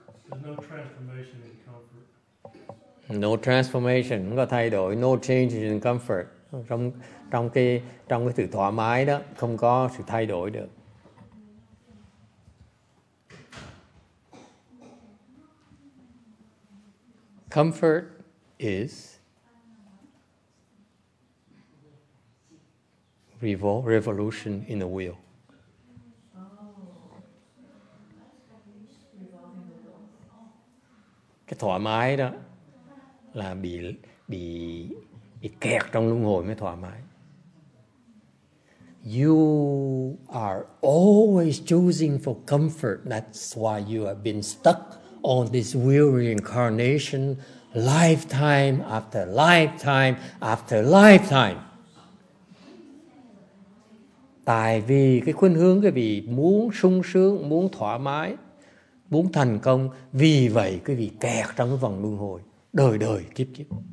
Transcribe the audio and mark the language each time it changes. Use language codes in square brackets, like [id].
[en] There's no transformation in comfort. No transformation, không có thay đổi. No change in comfort. [vi] Trong cái sự thoải mái đó, không có sự thay đổi được. [en] Comfort is revolution in the wheel. [vi] Cái thoải mái đó là bị kẹt trong luân hồi mới thoải mái. [en] You are always choosing for comfort. That's why you have been stuck on this weary incarnation, lifetime after lifetime after lifetime. [vi] Tại vì cái khuynh hướng quý vị muốn sung sướng, muốn thoải mái, muốn thành công, vì vậy quý vị kẹt trong cái vòng luân hồi đời đời kiếp kiếp.